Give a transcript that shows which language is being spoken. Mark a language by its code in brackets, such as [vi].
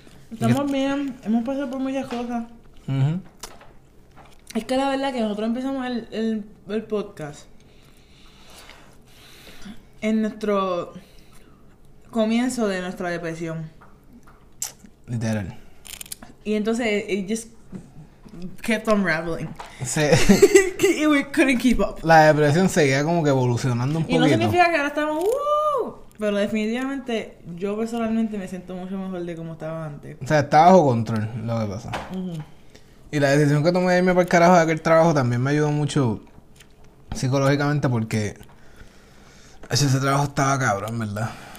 [es] Estamos bien, hemos pasado por muchas cosas. Es que la verdad que nosotros empezamos el podcast en nuestro comienzo de nuestra depresión. Literal. [en] Y entonces, it just kept on unraveling. [es] Se [en] y we couldn't keep up. [es] La depresión seguía como que evolucionando un Y no poquito. significa que ahora estamos pero definitivamente yo personalmente me siento mucho mejor de como estaba antes. O sea, está bajo control lo que pasa. Y la decisión que tomé de irme para el carajo de aquel trabajo también me ayudó mucho psicológicamente porque ese trabajo estaba cabrón, ¿verdad?